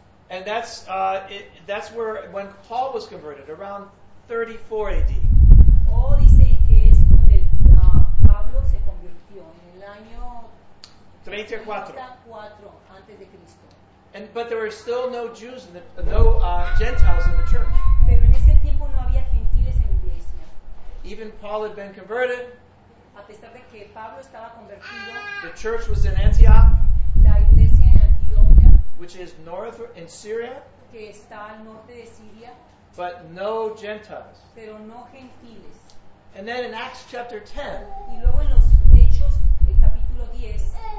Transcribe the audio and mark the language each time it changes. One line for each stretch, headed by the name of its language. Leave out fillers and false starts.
English: And that's where when Paul was converted, around 34 A.D.
Spanish: Oh, dice que es donde Pablo se convirtió en el año 34 antes de Cristo.
English: And but there were still no Jews, Gentiles in the church.
Spanish: Pero en ese tiempo no había gentiles en la iglesia.
English: Even Paul had been converted.
Spanish: A pesar de que Pablo estaba convertido,
English: the church was in Antioch.
Spanish: La iglesia en Antioquia,
English: which is north in Syria.
Spanish: Que está al norte de Siria.
English: But no Gentiles.
Spanish: Pero no gentiles.
English: And then in Acts chapter 10.
Spanish: Y luego en los Hechos, el capítulo 10.